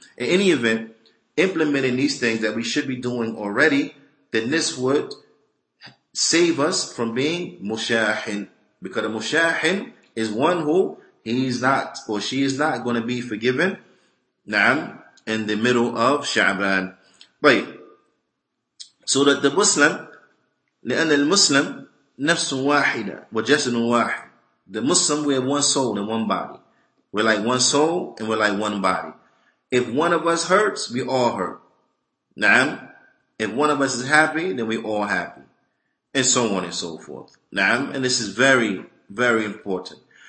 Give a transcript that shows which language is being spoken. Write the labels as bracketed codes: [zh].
[en] In any event, implementing these things that we should be doing already, then this would save us from being mushahin. Because a mushahin is one who he's not, or she is not going to be forgiven. Na'am, in the middle of Sha'ban. Right. So that the Muslim, [ar] لأن المسلم نفس واحدة وجسد واحد. [en] The Muslim, we have one soul and one body. We're like one soul and we're like one body. If one of us hurts, we all hurt. Na'am. If one of us is happy, then we all happy. And so on and so forth. Na'am. And this is very, very important.